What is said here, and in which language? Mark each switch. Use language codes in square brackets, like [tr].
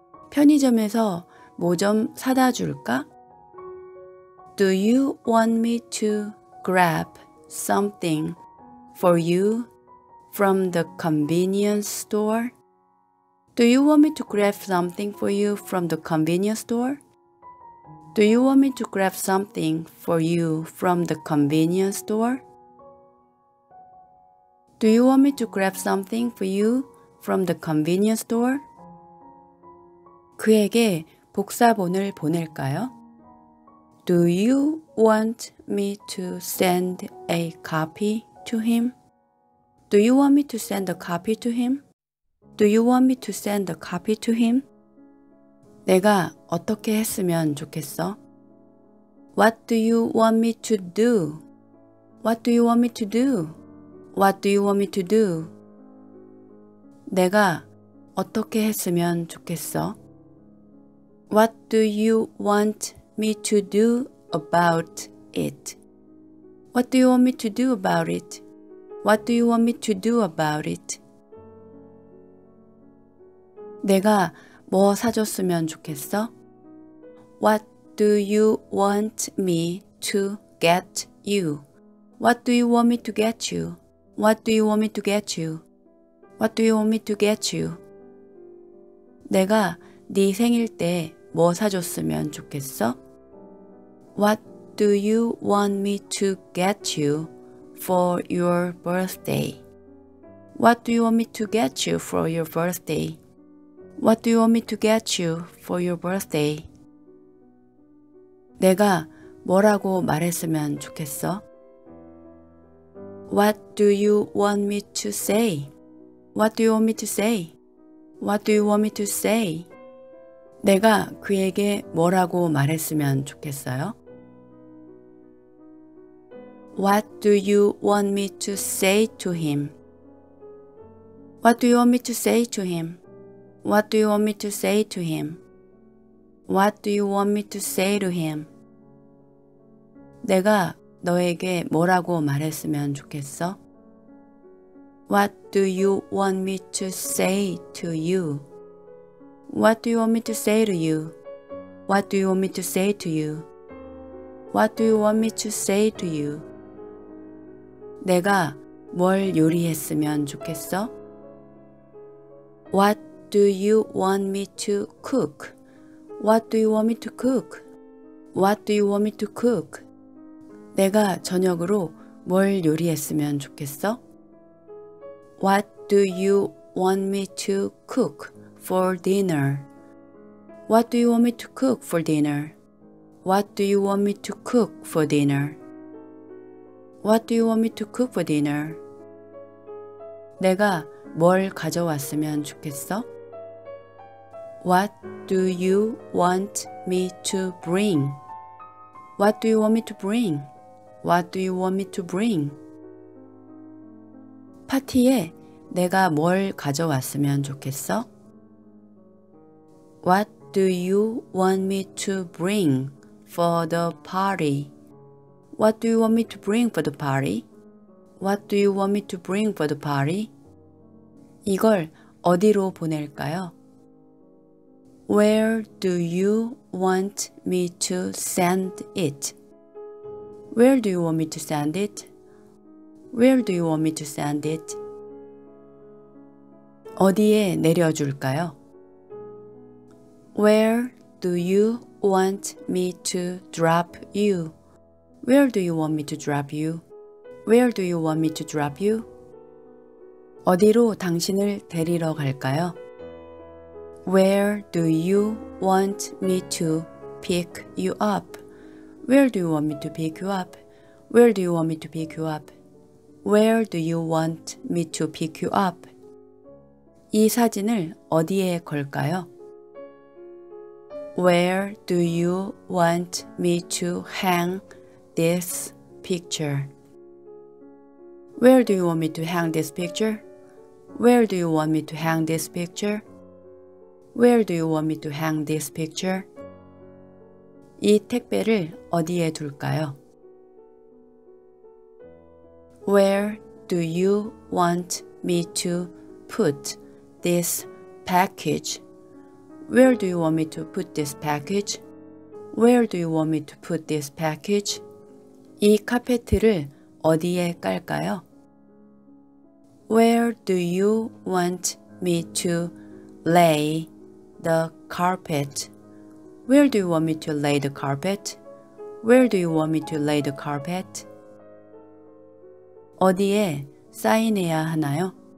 [ko] 편의점에서 뭐 좀 사다 줄까? [en] Do you want me to grab something for you from the convenience store? Do you want me to grab something for you from the convenience store? Do you want me to grab something for you from the convenience store? Do you want me to grab something for you from the convenience store? [ko] 그에게 복사본을 보낼까요? [en] Do you want me to send a copy to him? Do you want me to send a copy to him? Do you want me to send a copy to him? [ko] 내가 어떻게 했으면 좋겠어? [en] What do you want me to do? What do you want me to do? What do you want me to do? [ko] 내가 어떻게 했으면 좋겠어? [en] What do you want me to do about it? What do you want me to do about it? What do you want me to do about it? [ko] 내가 뭐 사줬으면 좋겠어? [en] What do you want me to get you? What do you want me to get you? What do you want me to get you? What do you want me to get you? [ko] 내가 네 생일 때 뭐 사줬으면 좋겠어? [en] What do you want me to get you for your birthday? What do you want me to get you for your birthday? What do you want me to get you for your birthday? [ko] 내가 뭐라고 말했으면 좋겠어? [en] What do you want me to say? What do you want me to say? What do you want me to say? [ko] 내가 그에게 뭐라고 말했으면 좋겠어요? [en] What do you want me to say to him? What do you want me to say to him? What do you want me to say to him? What do you want me to say to him? [ko] 내가 너에게 뭐라고 말했으면 좋겠어? [en] What do you want me to say to you? What do you want me to say to you? What do you want me to say to you? What do you want me to say to you? [ko] 내가 뭘 요리했으면 좋겠어? [en] What do you want me to cook? What do you want me to cook? What do you want me to cook? [ko] 내가 저녁으로 뭘 요리했으면 좋겠어? [en] What do you want me to cook for dinner? What do you want me to cook for dinner? What do you want me to cook for dinner? What do you want me to cook for dinner? [ko] 내가 뭘 가져왔으면 좋겠어? [en] What do you want me to bring? What do you want me to bring? What do you want me to bring? [ko] 파티에 내가 뭘 가져왔으면 좋겠어? [en] What do you want me to bring for the party? What do you want me to bring for the party? What do you want me to bring for the party? [ko] 이걸 어디로 보낼까요? [en] Where do you want me to send it? Where do you want me to send it? Where do you want me to send it? [ko] 어디에 내려줄까요? [en] Where do you want me to drop you? Where do you want me to drop you? Where do you want me to drop you? [ko] 어디로 당신을 데리러 갈까요? [en] Where do you want me to pick you up? Where do you want me to pick you up? Where do you want me to pick you up? Where do you want me to pick you up? [ko] 이 사진을 어디에 걸까요? [en] Where do you want me to hang this picture? Where do you want me to hang this picture? Where do you want me to hang this picture? Where do you want me to hang this picture? [ko] 이 택배를 어디에 둘까요? [en] Where do you want me to put this package? Where do you want me to put this package? Where do you want me to put this package? [ko] 이 카펫을 어디에 깔까요? [en] Where do you want me to lay the carpet? Where do you want me to lay the carpet? Where do you want me to lay the carpet? [ko] 어디에 사인해야 하나요?